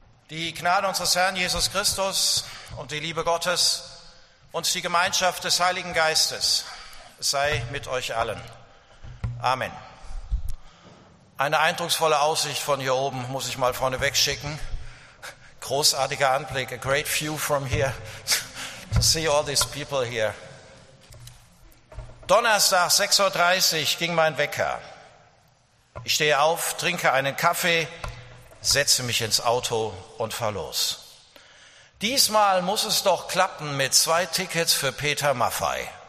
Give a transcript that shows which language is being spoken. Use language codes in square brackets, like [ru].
[de] Die Gnade unseres Herrn Jesus Christus und die Liebe Gottes und die Gemeinschaft des Heiligen Geistes sei mit euch allen. Amen. Eine eindrucksvolle Aussicht von hier oben muss ich mal vorne wegschicken. Großartiger Anblick, [en] a great view from here to see all these people here. [de] Donnerstag, 6.30 Uhr, ging mein Wecker. Ich stehe auf, trinke einen Kaffee, setze mich ins Auto und fahre los. Diesmal muss es doch klappen mit 2 Tickets für Peter Maffay.